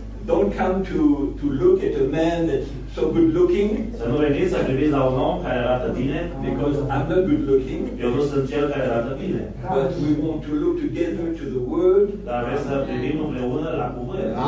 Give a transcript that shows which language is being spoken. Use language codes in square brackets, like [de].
[en] Don't come to look at a man that's so good looking. [ro] Să nu veniți să priviți la un om care arată bine. [en] Because I'm not good looking. [ro] Eu nu sunt cel care arată bine. [en] But we want to look together to the word. [ro] Dar vreau să privim împreună la cuvânt.